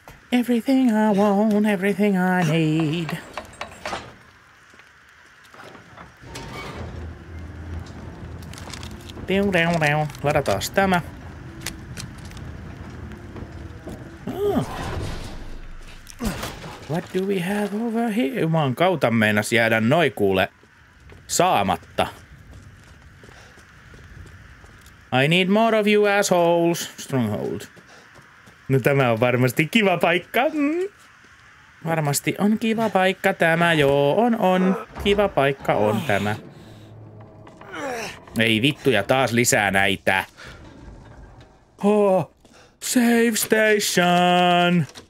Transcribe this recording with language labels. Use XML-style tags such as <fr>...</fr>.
<en>Everything I want, everything I need. Riu, riu, riu.</en> <fi>Ladataas tämä.</fi> <en>Oh. What do we have over here?</en> <fi>Jumaan kautta meinas jäädä noi kuule saamatta.</fi> <en>I need more of you assholes. Stronghold.</en> <fi>No tämä on varmasti kiva paikka. Varmasti on kiva paikka tämä. Joo, on. Kiva paikka on tämä. Ei vittu, ja taas lisää näitä.</fi> <en>Oh, save station.</en>